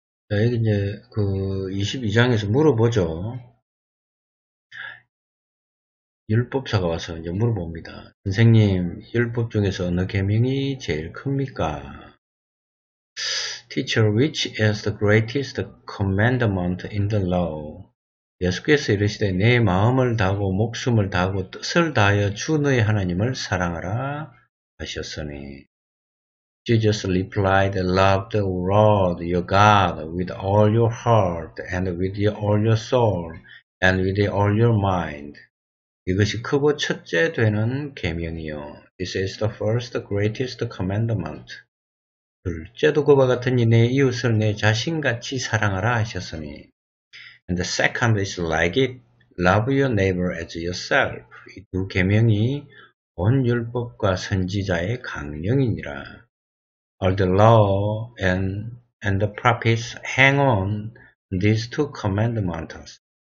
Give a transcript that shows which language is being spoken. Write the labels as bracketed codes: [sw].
[ko] 자, 여기 이제 그 22장에서 물어보죠. 율법사가 와서 이제 물어봅니다. 선생님, 율법 중에서 어느 계명이 제일 큽니까? [en] Teacher, which is the greatest commandment in the law? [ko] 예수께서 이르시되 내 마음을 다하고 목숨을 다하고 뜻을 다하여 주 너의 하나님을 사랑하라 하셨으니. [en] Jesus replied, Love the Lord your God with all your heart and with all your soul and with all your mind. [ko] 이것이 크고 첫째 되는 계명이요. [en] This is the first greatest commandment. [ko] 둘째도 그와 같으니 내 이웃을 내 자신같이 사랑하라 하셨으니. [en] And the second is like it. Love your neighbor as yourself. [ko] 이 두 계명이 온 율법과 선지자의 강령이니라. [en] All the law and the prophets hang on these two commandments.